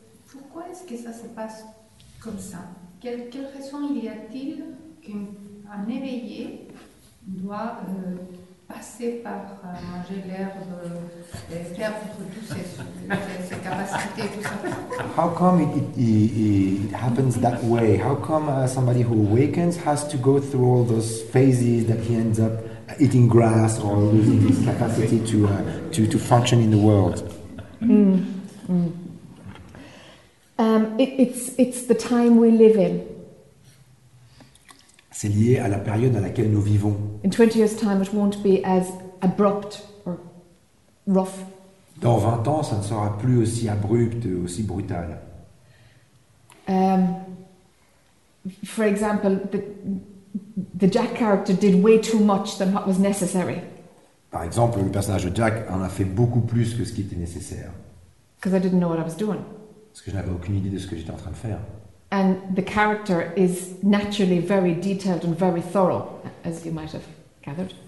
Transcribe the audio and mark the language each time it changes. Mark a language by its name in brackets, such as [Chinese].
[French] Pourquoi est-ce que ça se passe comme ça? Quelle raison il y a-t-il qu'un éveillé doit passer par manger l'herbe et perdre toutes ses capacités et tout ça? [English] How come it happens that way? How come somebody who awakens has to go through all those phases that he ends up eating grass or losing his capacity to function in the world? It's the time we live in. [French] C'est lié à la période à laquelle nous vivons. [English] In 20 years' time, it won't be as abrupt or rough. [French] Dans 20 ans, ça ne sera plus aussi abrupt, aussi brutal. [English] For example, the Jack character did way too much than what was necessary. [French] Par exemple, le personnage de Jack en a fait beaucoup plus que ce qui était nécessaire. [English] Because I didn't know what I was doing. [French] Parce que je n'avais aucune idée de ce que j'étais en train de faire. [English] And the character is naturally very detailed and very thorough, as you might have gathered.